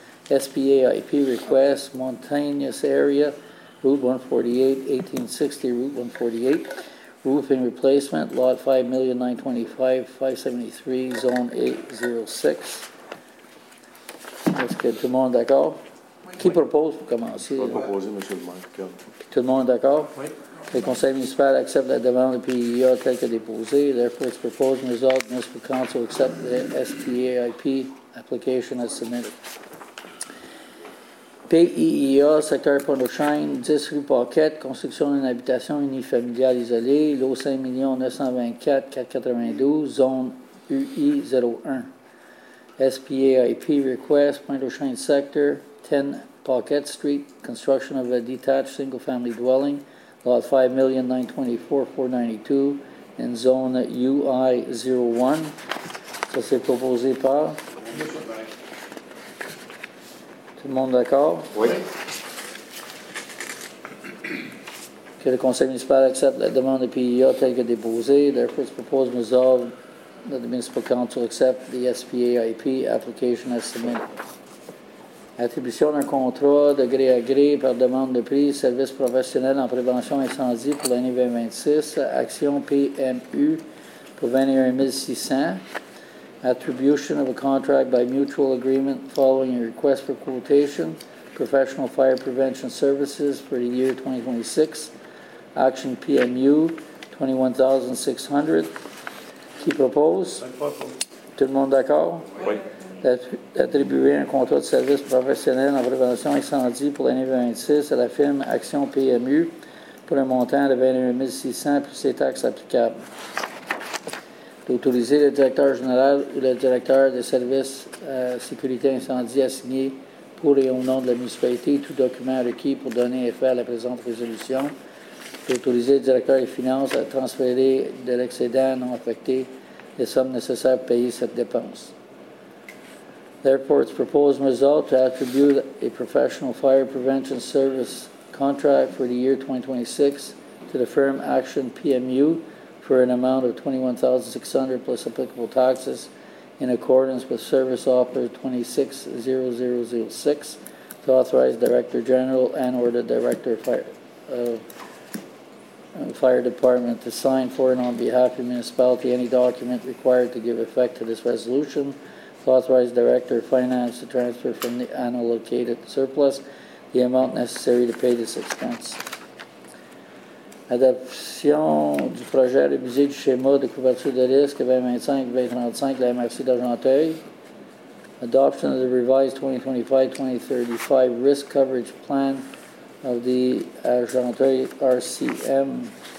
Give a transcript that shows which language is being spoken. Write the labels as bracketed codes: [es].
[en] SPAIP request, mountainous area, Route 148, 1860, Route 148, roofing replacement, lot 5,925,573, zone 806. [fr] Est-ce que tout le monde d'accord? Oui. Qui propose pour commencer? Je vais proposer, M. le maire. Tout le monde d'accord? Oui. Le conseil municipal accepte la demande du PIA telle que déposée. [en] Therefore, it's proposed and resolved. The municipal council accept the STAIP application as submitted. [fr] PIIA, secteur Pont-au-Chêne, 10 rue Paquette, construction d'une habitation unifamiliale isolée, lot 5 924 492, zone UI01. [en] SPAIP request, Pont-au-Chêne sector, 10 Paquette Street, construction of a detached single-family dwelling, lot 5,924,492, in zone UI01. [fr] Ça, c'est proposé par... Tout le monde d'accord? Oui. Que le conseil municipal accepte la demande de PIA telle que déposée. [en] Therefore, it's proposed and resolved that the municipal council accept the SPAIP application as submitted. [fr] Attribution d'un contrat de gré à gré par demande de prix, service professionnel en prévention incendie pour l'année 2026, action PMU pour 21 600. [en] Attribution of a contract by mutual agreement following a request for quotation, professional fire prevention services for the year 2026, action PMU, $21,600. [fr] Qui propose? Tout le monde d'accord? Oui. D'attribuer un contrat de service professionnel en prévention incendie pour l'année 2026 à la firme Action PMU pour un montant de 21 600 plus ses taxes applicables. D'autoriser le directeur général ou le directeur des services sécurité incendie à signer pour et au nom de la municipalité tout document requis pour donner effet à la présente résolution. D'autoriser le directeur des finances à transférer de l'excédent non affecté les sommes nécessaires pour payer cette dépense. [en] Therefore, it's proposed result to attribute a professional fire prevention service contract for the year 2026 to the firm Action PMU for an amount of $21,600 plus applicable taxes in accordance with service offer 260006 to authorize director general and or the director of fire department to sign for and on behalf of the municipality any document required to give effect to this resolution. Authorized Director of Finance to transfer from the unallocated surplus the amount necessary to pay this expense. [fr] Adaption du projet révisé du schéma de couverture de risque 2025-2035 de la MRC d'Argenteuil. [en] Adoption of the revised 2025-2035 risk coverage plan of the Argenteuil RCM.